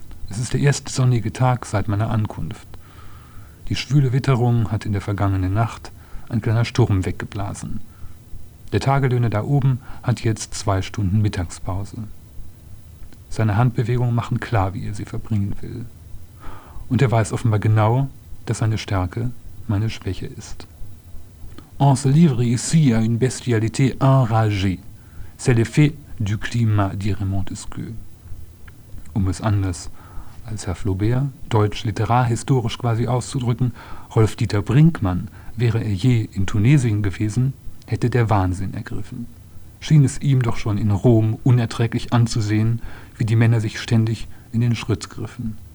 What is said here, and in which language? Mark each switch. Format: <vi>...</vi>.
<de>Es ist der erste sonnige Tag seit meiner Ankunft. Die schwüle Witterung hat in der vergangenen Nacht ein kleiner Sturm weggeblasen. Der Tagelöhner da oben hat jetzt 2 Stunden Mittagspause. Seine Handbewegungen machen klar, wie er sie verbringen will. Und er weiß offenbar genau, dass seine Stärke meine Schwäche ist.</de> <fr>On se livre ici à une bestialité enragée. C'est l'effet du climat, dirait Montesquieu.</fr> <de>Um es anders als Herr Flaubert, deutsch-literar-historisch quasi auszudrücken, Rolf-Dieter Brinkmann, wäre er je in Tunesien gewesen, hätte der Wahnsinn ergriffen. Schien es ihm doch schon in Rom unerträglich anzusehen, wie die Männer sich ständig in den Schritt griffen.</de>